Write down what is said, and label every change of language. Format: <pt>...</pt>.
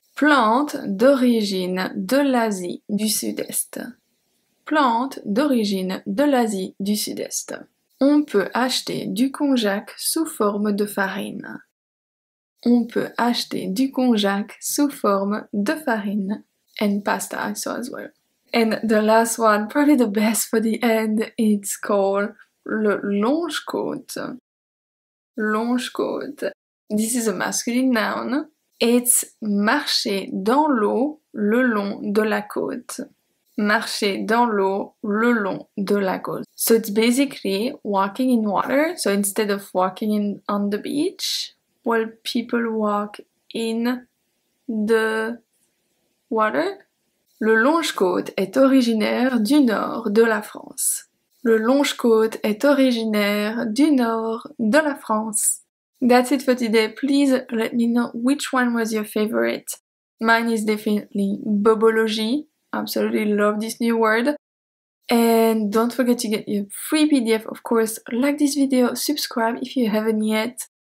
<fr>Plante d'origine de l'Asie du Sud-Est. Plante d'origine de l'Asie du Sud-Est. On peut acheter du konjac sous forme de farine. On peut acheter du konjac sous forme de farine.</fr> <en>And pasta, I saw as well. And the last one, probably the best for the end, it's called le longe-côte. Longe-côte. This is a masculine noun.</en> <fr>It's marcher dans l'eau le long de la côte. Marcher dans l'eau le long de la côte.</fr> <en>So it's basically walking in water. So instead of walking in, on the beach, well, people walk in the water.</en> <fr>Le longe-côte est originaire du nord de la France. Le longe-côte est originaire du nord de la France.</fr> <en>That's it for today. Please let me know which one was your favorite. Mine is definitely Bobology. Absolutely love this new word. And don't forget to get your free PDF, of course. Like this video, subscribe if you haven't yet.</en>